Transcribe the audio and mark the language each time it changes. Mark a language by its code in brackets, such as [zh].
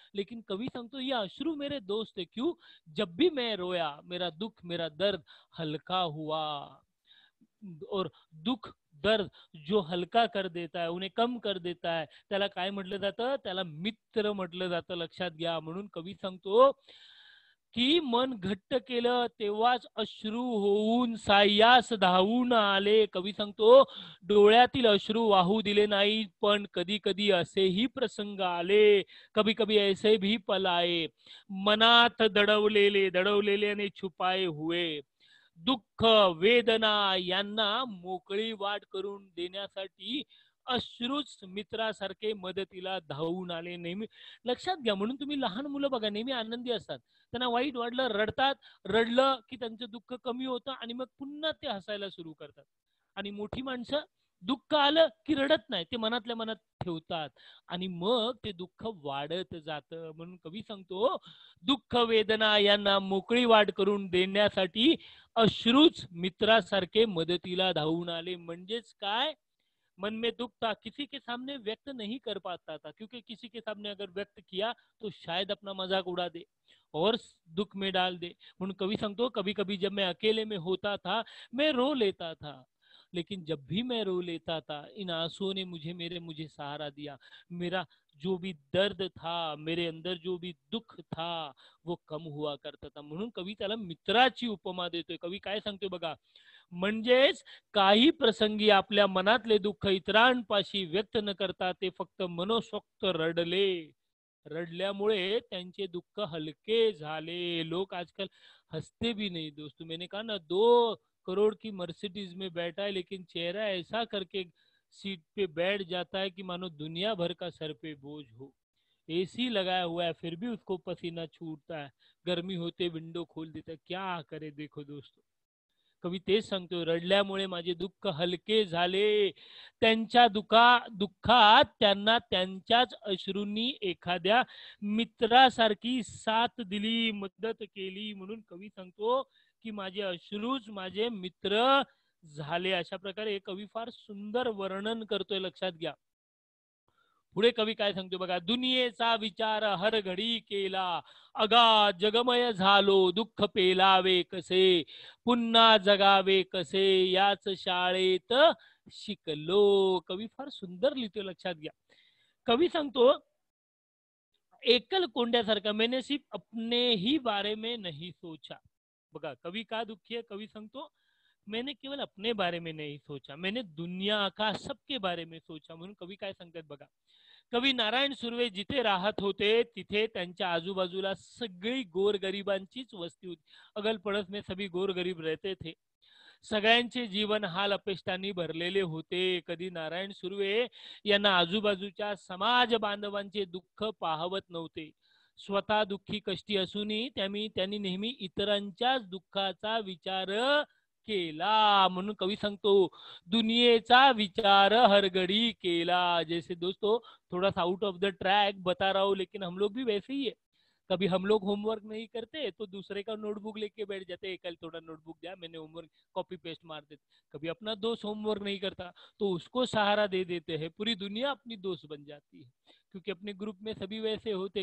[hi] लेकिन कवि संतो ये अश्रु मेरे दोस्त थे, क्यों? जब भी मैं रोया मेरा दुख मेरा दर्द हल्का हुआ और दुख दर्द जो हल्का कर देता है उन्हें कम कर देता है [mr] त्याला काय म्हटलं जातं, [hi] त्याला मित्र म्हटलं जातं। [mr] लक्षात घ्या म्हणून कवी सांगतो की मन घट्ट केलं तेव्हाच अश्रू होऊन सायास धावून आले। कवी सांगतो डोळ्यातील अश्रू वाहू दिले नाही पण कधी कधी असेही प्रसंग आले, [hi] कभी कभी ऐसे भी पल आए, [mr] मनात दडवलेले दडवलेले आणि [hi] छुपाए हुए [mr] दुःख वेदना यांना मोकळी वाट करून देण्यासाठी अश्रूच मित्रासारखे मदतीला धावून आले। नेहमी लक्षात घ्या, म्हणून तुम्ही लहान मुलं बघा नेहमी आनंदी असतात, त्यांना वाईट वाटलं रडतात, रडलं की त्यांचं दुःख कमी होतं आणि मग पुन्हा ते हसायला सुरू करतात आणि मोठी माणसं दुःख आलं की रडत नाही, ते मनातल्या मनात ठेवतात आणि मग ते दुःख वाढत जातं। म्हणून कवी सांगतो दुःख वेदना यांना मोकळी वाट करून देण्यासाठी अश्रूच मित्रासारखे मदतीला धावून आले। म्हणजेच काय, [hi] मन में दुख था किसी के सामने व्यक्त नहीं कर पाता था क्योंकि किसी के सामने अगर व्यक्त किया तो शायद अपना मजाक उड़ा दे और दुख में डाल दे। कवि संतो कभी कभी जब मैं अकेले में होता था मैं रो लेता था लेकिन जब भी मैं रो लेता था इन आंसुओं ने मुझे सहारा दिया, मेरा जो भी दर्द था मेरे अंदर जो भी दुख था वो कम हुआ करता था। [mr] म्हणून कवि त्याला मित्राची उपमा देतोय। कवि काय सांगतोय बघा, म्हणजेच काही प्रसंगी आपल्या मनातले दुःख इतरांपाशी व्यक्त न करता ते फक्त मनोसक्त रडले, रडल्यामुळे त्यांचे दुःख हलके झाले। [hi] लोक आजकाल हसते भी नाही दोस्तों, मैंने कहा ना दो करोड़ की मर्सिडीज में बैठा है, लेकिन चेहरा ऐसा करके सीट पे बैठ जाता है कि मानो दुनिया भर का सर पे बोझ हो। एसी लगाया हुआ है फिर भी उसको पसीना छूटता है, गर्मी होते विंडो खोल देता है, क्या करे। देखो दोस्तों [mr] कवी तेज सांगतो, रडल्यामुळे माझे दुःख हलके झाले, त्यांच्या दुःखात त्यांना त्यांच्याच अश्रूंनी एखाद्या मित्रासारखी साथ दिली, मदत केली। म्हणून कवी सांगतो की माझे अश्रूच माझे मित्र झाले, अशा प्रकारे हे कवी फार सुंदर वर्णन करतोय, लक्षात घ्या। पुढे कवी काय सांगतो बघा, दुनियेचा विचार हर घडी केला, अगा जगमय झालो दुःख पेलावे कसे, पुन्हा जगावे कसे याच शाळेत शिकलो। कवी फार सुंदर लिहितोय, लक्षात घ्या। कवी सांगतो एकल कोंड्यासारखा, [hi] मैंने सिर्फ अपने ही बारे में नहीं सोचा। [mr] बघा कवी का दुःखी आहे, कवी सांगतो [hi] मैंने केवल अपने बारे में नहीं सोचा, मैंने दुनिया का सबके बारे में सोचा। [mr] म्हणून कवी काय सांगतात बघा, कवी नारायण सुर्वे जिथे राहत होते तिथे त्यांच्या आजूबाजूला सगळी गोर गरिबांचीच वस्ती होती, [hi] अगल पडस में सभी गोर गरीब रहते थे, [mr] सगळ्यांचे जीवन हाल अपेष्टांनी भरलेले होते। कधी नारायण सुर्वे यांना आजूबाजूच्या समाज बांधवांचे दुःख पाहवत नव्हते, स्वतः दुःखी कष्टी असूनही त्यांनी नेहमी इतरांच्याच दुःखाचा विचार केला। म्हणून कवी सांगतो दुनियेचा विचार हर घडी केला। [hi] जैसे दोस्तों थोडा सा आउट ऑफ द ट्रॅक बता रहा हूं, लेकिन हम लोग भी वैसे ही है, कभी हम लोग होमवर्क नहीं करते तो दूसरे का नोटबुक लेके बैठ जाते, कल थोड़ा नोटबुक दिया मैंने होमवर्क, कॉपी पेस्ट मार देते, कभी अपना दोस्त होमवर्क नहीं करता तो उसको सहारा दे देते हैं, पूरी दुनिया अपनी दोस्त बन जाती है क्योंकि अपने ग्रुप में सभी वैसे होते।